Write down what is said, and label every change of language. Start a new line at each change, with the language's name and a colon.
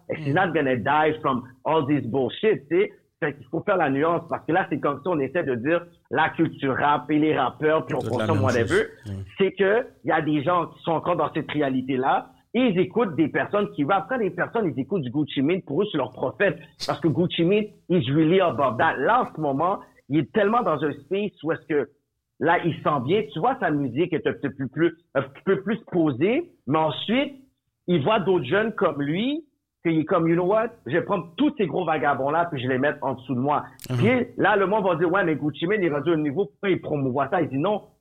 English: And she's not gonna die from all this bullshit,
French: tu sais. Fait qu'il faut faire la nuance, parce que là, c'est comme si on essaie de dire la culture rap et les rappeurs, puis on consomme, whatever. C'est que, il y a des gens qui sont encore dans cette réalité-là, et ils écoutent des personnes qui rappent. Quand les personnes, ils écoutent du Gucci Mane, pour eux, c'est leur prophète. Parce que Gucci Mane,
English: he's really about that.
French: Là, en ce moment, il est tellement dans un space où est-ce que, là, il sent bien. Tu vois, sa musique est un peu plus posée. Mais ensuite, il voit d'autres jeunes comme lui, qu'il est comme,
English: you know what?
French: Je vais prendre tous ces gros vagabonds-là, puis je les mettre en dessous de moi. Puis là, le monde va dire, ouais, mais Gucci Mane, il est rendu au niveau, pourquoi il promouvoit ça? Il dit non.